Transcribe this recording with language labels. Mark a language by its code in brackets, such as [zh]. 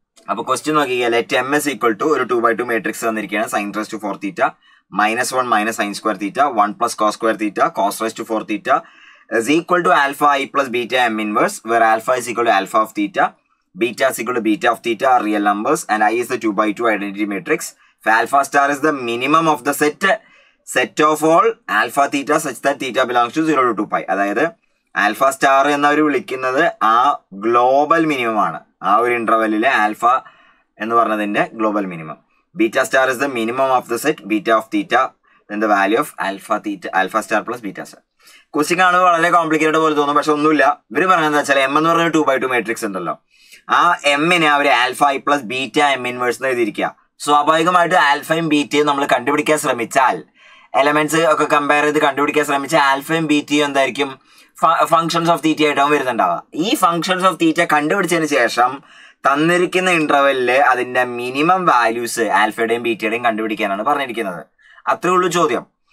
[ml] അപ്പോൾ ക്വസ്റ്റ്യൻ നോക്കിയാൽ [en] let M is equal to [ml] ഒരു 2x2 മാട്രിക്സ് തന്നിരിക്കുകയാണ്. [en] Sine raise to 4θ minus 1 minus sine square theta, 1 plus cos square theta, cos raise to 4θ is equal to alpha I plus beta M inverse, where alpha is equal to alpha of theta, beta is equal to beta of theta are real numbers, and I is the 2x2 identity matrix. If alpha star is the minimum of the set, set of all alpha theta such that theta belongs to 0 to 2 pi. That is, alpha star is the global minimum. In that interval, alpha is the global minimum. Beta star is the minimum of the set, beta of theta, then the value of alpha theta, alpha star plus beta star. Question is very complicated, but it is not complicated. M is 2 by 2 matrix. M is alpha I plus beta M inverse. [ml] സ്വാഭാവികമായിട്ട് ആൽഫയും ബീറ്റയും നമ്മൾ കണ്ടുപിടിക്കാൻ ശ്രമിച്ചാൽ, elements ഒക്കെ compare ചെയ്ത് കണ്ടുപിടിക്കാൻ ശ്രമിച്ചാൽ ആൽഫയും ബീറ്റയും എന്തായിരിക്കും functions of തീറ്റ ആയിട്ടാവും വരുന്നുണ്ടാവുക. ഈ ഫങ്ഷൻസ് ഓഫ് തീറ്റ കണ്ടുപിടിച്ചതിന് ശേഷം തന്നിരിക്കുന്ന ഇന്റർവെല്ലില് അതിൻ്റെ മിനിമം വാല്യൂസ് ആൽഫയുടെയും ബീറ്റയുടെയും കണ്ടുപിടിക്കാനാണ് പറഞ്ഞിരിക്കുന്നത്. അത്രേ ഉള്ളൂ ചോദ്യം.